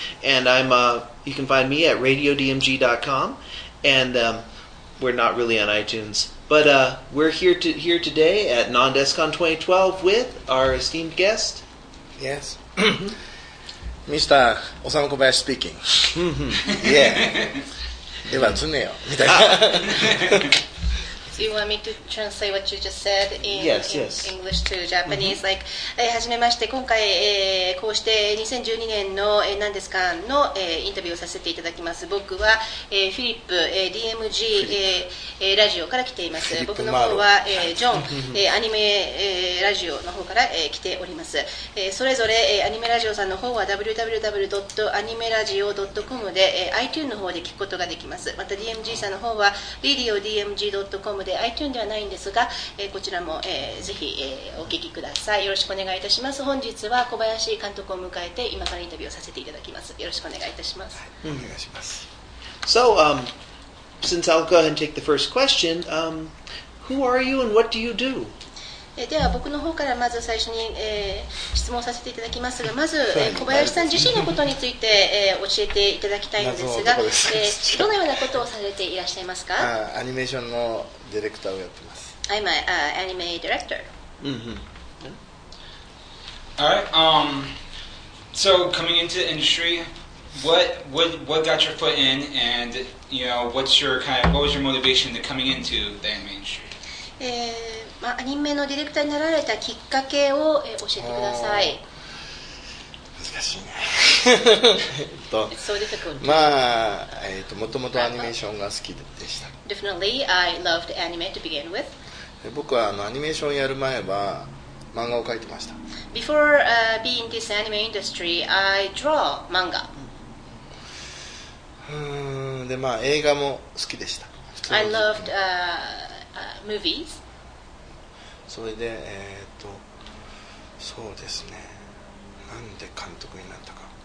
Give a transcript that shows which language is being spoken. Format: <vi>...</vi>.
<en>And you can find me at radiodmg.com, and we're not really on iTunes, but we're here today at NondeskCon 2012 with our esteemed guest. Yes. Mr. Osamu Kobayashi speaking. Yeah. Deva tsuneyo. Do you want me to translate what you just said in, yes, in yes. English to Japanese? Mm-hmm.</en> <ja>Like, はじめまして、今回、こうして2012年の、なんですかの、インタビューをさせていただきます。僕は、フィリップ、DMG ラジオから来ています。僕の方は、ジョン、アニメ、ラジオの方から、来ております。それぞれ、アニメラジオさんの方は www.animeradio.com で、iTunes の方で聞くことができます。また DMG さんの方は radiodmg.comで iTunes ではないんですが、こちらも、ぜひ、お聞きください。よろしくお願いいたします。本日は小林監督を迎えて今からインタビューをさせていただきます。よろしくお願いいたします。はい、お願いします。</ja> <en>So, since I'll go ahead and take the first question, who are you and what do you do?</en> <ja>では僕の方からまず最初に、質問させていただきますが、まず、小林さん自身のことについて、教えていただきたいんですが、どのようなことをされていらっしゃいますか？アニメーションのディレクターをやってます。</ja> <en>I'm an anime director. Alright, so coming into the industry, what got your foot in, and you know, what was your motivation to coming into the anime industry?</en> <ja>まあ、アニメのディレクターになられたきっかけを、教えてください。難しいね。</ja> <en>So difficult.</en> <ja>まあ、もともとアニメーションが好きでした。</ja> <en>Definitely, I loved anime to begin with.</en> <ja>僕はアニメーションやる前は漫画を描いてました。</ja> <en>Before, being this anime industry, I draw manga.</en> <ja>で、まあ、映画も好きでした。</ja> <en>I loved, movies.</en> <ja>それで、そうですね。なんで監督になったか。</ja>